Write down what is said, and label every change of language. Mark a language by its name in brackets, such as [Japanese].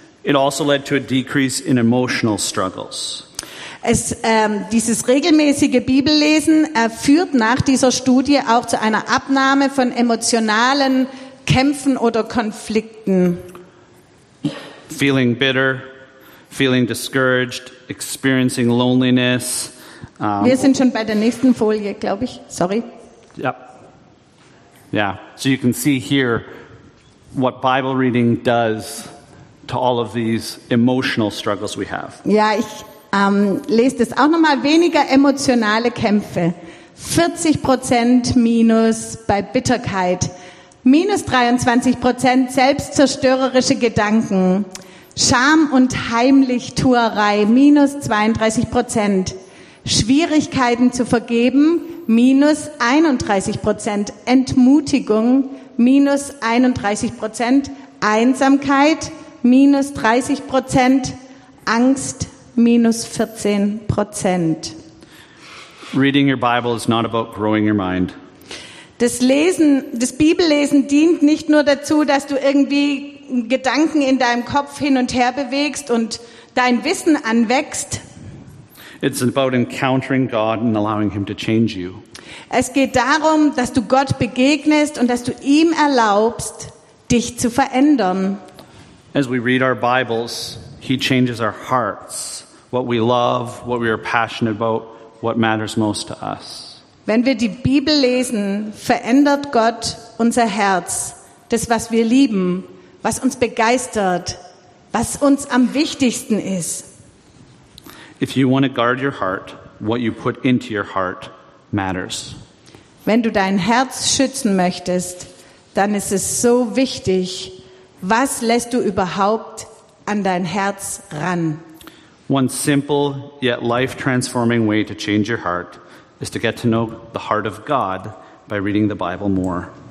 [English] It also led to a decrease in emotional struggles. [German] Es, dieses regelmäßige Bibellesen führt nach dieser Studie auch zu einer Abnahme von emotionalen Kämpfen oder Konflikten. [English] Feeling bitter, feeling discouraged, experiencing loneliness. [German] Wir sind schon bei der nächsten Folie, glaube ich. [English] Sorry. Yep. Yeah. So you can see here what Bible reading does to all of these emotional struggles we have. [German] Ja, ich lest es auch nochmal. Weniger emotionale Kämpfe. 40% minus bei Bitterkeit. Minus 23% selbstzerstörerische Gedanken. Scham und Heimlichtuerei. Minus 32%. Schwierigkeiten zu vergeben. Minus 31%. Entmutigung. Minus 31%. Einsamkeit. Minus 30%. Angst. Minus 14%. [English] Reading your Bible is not about growing your mind. [German] Das Lesen, das Bibellesen dient nicht nur dazu, dass du irgendwie Gedanken in deinem Kopf hin und her bewegst und dein Wissen anwächst. [English] It's about encountering God and allowing him to change you. [German] Es geht darum, dass du Gott begegnest und dass du ihm erlaubst, dich zu verändern. [English] As we read our Bibles, he changes our hearts, what we love, what we are passionate about, what matters most to us. [German] Wenn wir die Bibel lesen, verändert Gott unser Herz, das was wir lieben, was uns begeistert, was uns am wichtigsten ist. [English] If you want to guard your heart, what you put into your heart matters. [German] Wenn du dein Herz schützen möchtest, dann ist es so wichtig, was lässt du überhaupt an dein Herz ran? [English] One simple yet life-transforming way to change your heart is to get to know the heart of God by reading the Bible more.